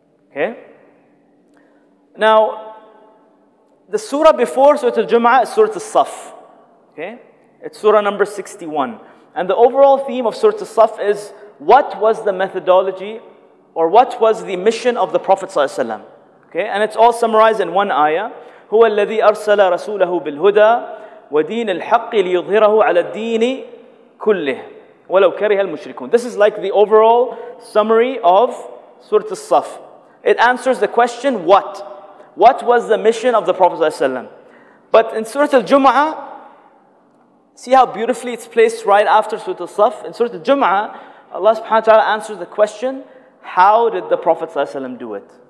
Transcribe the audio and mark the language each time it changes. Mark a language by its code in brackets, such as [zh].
[en] Okay? Now, the surah before Surah Al-Jum'ah is Surah Al-Saff. Okay? It's surah number 61. And the overall theme of Surah Al-Saff is, what was the methodology or what was the mission of the Prophet Sallallahu Alaihi Wasallam? Okay? And it's all summarized in one ayah. [ar] هو الذي أرسل رسوله بالهدى ودين الحق ليظهره على الدين كله ولو كره المشركون. [en] This is like the overall summary of Surah Al-Saff. It answers the question, what? What was the mission of the Prophet ﷺ? But in Surah Al-Jum'ah, see how beautifully it's placed right after Surah Al-Saff? In Surah Al-Jum'ah, Allah subhanahu wa ta'ala answers the question, how did the Prophet ﷺ do it?